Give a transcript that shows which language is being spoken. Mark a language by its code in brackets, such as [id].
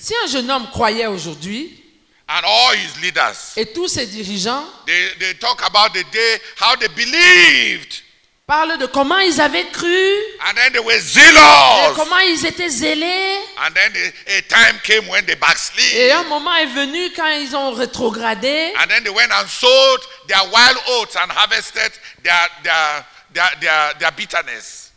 [fr] si un jeune homme croyait aujourd'hui, [en] and all his leaders, [fr] et tous ses dirigeants, [en] they talk about the day how they believed, [fr] parlent de comment ils avaient cru, [en] and then they were zealous, [fr] et comment ils étaient zélés, [en] and then a time came when they backslid, [fr] et un moment est venu quand ils ont rétrogradé, [en] and then they went and sowed their wild oats and harvested their bitterness,